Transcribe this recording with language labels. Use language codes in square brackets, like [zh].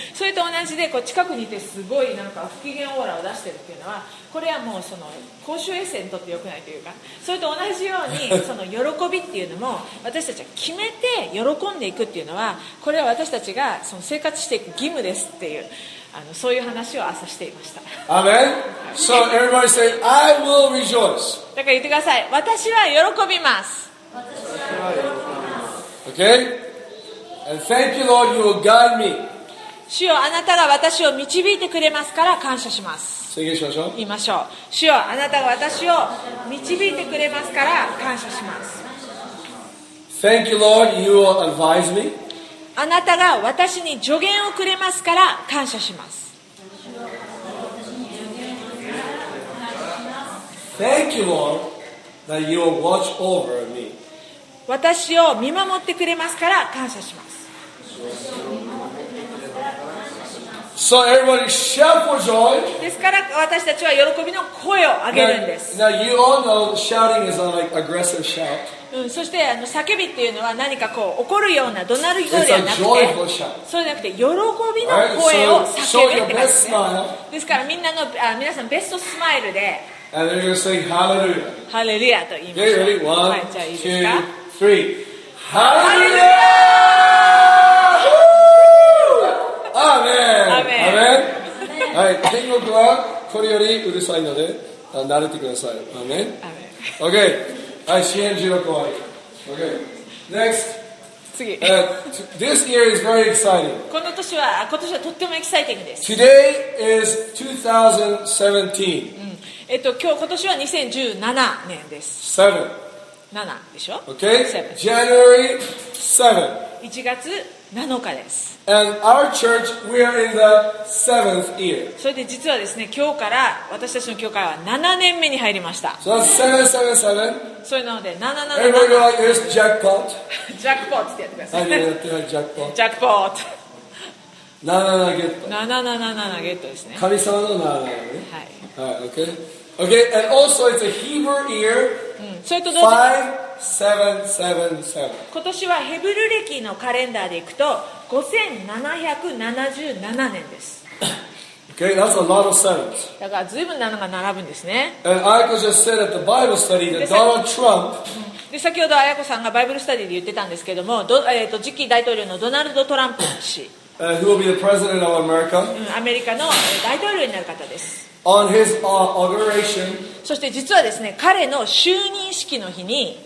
[ja] それと同じで、こう近くにいてすごいなんか不機嫌オーラを出してるっていうのは、これはもうその公衆衛生にとって良くないというか、それと同じようにその喜びっていうのも、私たちは決めて喜んでいくっていうのは、これは私たちがその生活していく義務ですっていう、そういう話を朝していました。 [en] アメン。So everybody say, I will rejoice. [ja] だから言ってください。私は喜びます。私は喜びます。 [en] Okay. And thank you, Lord, you will guide me. [ja] 主よ、あなたが私を導いてくれますから感謝します。宣言しましょう。言いましょう。主よ、あなたが私を導いてくれますから感謝します。 [en] Thank you, Lord, you will advise me. [ja] あなたが私に助言をくれますから感謝します。 [en] Thank you, Lord, that you will watch over me. [ja] 私を見守ってくれますから感謝します。 [en] So everybody shout for joy. [ja] ですから私たちは喜びの声を上げるんです。 [en] Now you all know shouting is not like aggressive shout [ja] そして叫びっていうのは何かこう怒るような怒鳴る声ではなくて、それじゃなくて喜びの声を叫ぶって感じですね。ですからみんなの皆さんベストスマイルで、ハレルヤ、ハレルヤと言いましょう。 [en] Okay, ready? One, two, three. ハレルヤアーメン、 [ja] はい、天国はこれよりうるさいので慣れてください。アーメン、アーメン、 OK、 はい、詩編16終わり。OK、 NEXT、次、 [en] This year is very exciting。 [ja] この年は、今年はとってもエキサイティングです。 [en] Today is 2017、 [ja] 今日、今年は2017年です。 [en] 7 [ja] 7でしょ。 [en] Okay. January 7. 1 [ja] 月7日です。 [en] And our church, we are in the seventh year. [ja] それで実はですね、今日から私たちの教会は7年目に入りました。 [en] So that's 777. [ja] それなので777. [en] Everybody go like this, jackpot. [ja] Jackpot ってやってください。 [en] I mean, jackpot. Jackpot. 777 get. [ja] 777 get ですね。神様の777ね。はい。 [en] はい、okay. Okay, and also it's a Hebrew year. 5777. [ja] 今年はヘブル暦のカレンダーでいくと5777年です。 [en] Okay, that's a lot of sevens. [ja] だからずいぶん7が並ぶんですね。 [en] And Ayako just said at the Bible study that Donald Trump. [ja] で、先ほど彩子さんがバイブルスタディで言ってたんですけども、次期大統領のドナルド・トランプ氏。 [en] Who will be the president of America? [ja] アメリカの大統領になる方です。 [en] On his inauguration, [ja] そして実はですね、彼の就任式の日に、